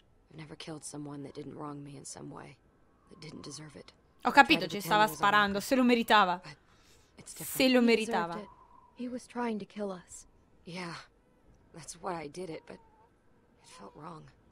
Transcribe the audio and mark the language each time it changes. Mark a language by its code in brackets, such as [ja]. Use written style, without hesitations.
[en] I never killed someone that didn't wrong me in some way, that didn't deserve it. [it] Ho capito, ci stava sparando, se lo meritava. Se lo meritava. [en] He was trying to kill us. Yeah, that's why I did it, but it felt wrong.